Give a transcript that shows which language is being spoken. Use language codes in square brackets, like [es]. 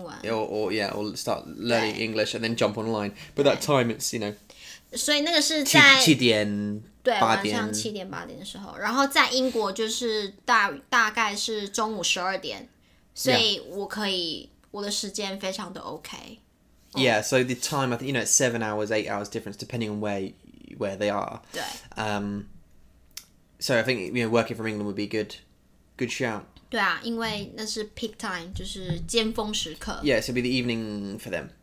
[en] Or start learning English and then jump online. But that time, it's, you know, [zh] 所以那个是在7点,8点。晚上7点,8点的时候,然后在英国就是大概是中午12点,所以我可以,我的时间非常的OK。 [en] Yeah, so the time, I think, you know, it's 7 hours, 8 hours difference, depending on where they are. So I think, you know, working from England would be good shout. [zh] 对啊,因为那是 [en] peak time, [zh] 就是尖峰时刻. [en] Yeah, so it'd be the evening for them.